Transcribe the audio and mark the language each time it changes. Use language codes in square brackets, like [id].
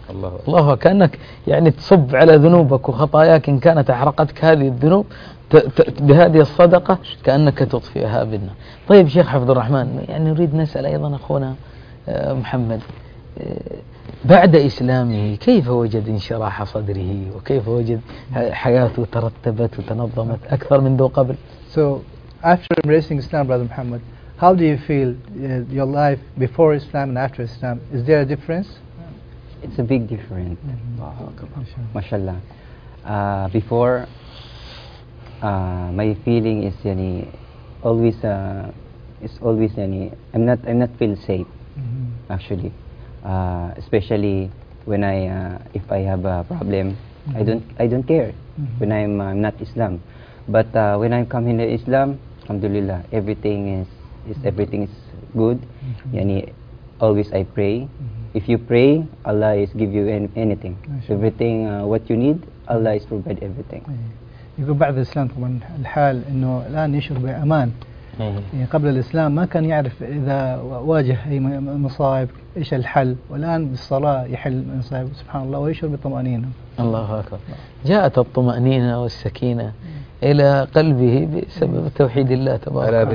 [ar] الله كأنك يعني تصب على ذنوبك وخطاياك إن كانت أحرقتك هذه الذنوب بهذه الصدقة كأنك تطفئها بالنار. طيب شيخ عبد الرحمن، يعني نريد نسأل أيضا أخونا محمد، بعد إسلامه كيف وجد انشراح صدره وكيف وجد حياته ترتبت وتنظمت أكثر من ذو قبل؟ [en] So after embracing Islam, brother Muhammad, how do you feel your life before Islam and after Islam? Is there a difference? It's a big difference. Mm-hmm. Mashallah. Before, my feeling is yani always it's always yani I'm not feel safe. Mm-hmm. Actually, especially when I if I have a problem, mm-hmm. I don't care. Mm-hmm. When I'm not Islam. But when I come into Islam, alhamdulillah, everything is good. Mm-hmm. Yani always I pray. Mm-hmm. If you pray, Allah is give you anything. Mm-hmm. Everything what you need, Allah is provide everything. [ar] يقول بعد الإسلام طبعا الحال إنه الآن يشعر بأمان. يعني قبل الإسلام ما كان يعرف إذا واجه أي مصائب إيش الحل، والآن بالصلاة يحل مصائب سبحان الله ويشعر بطمأنينة. الله أكبر. جاءت الطمأنينة والسكينة إلى قلبه بسبب توحيد الله تبارك وتعالى.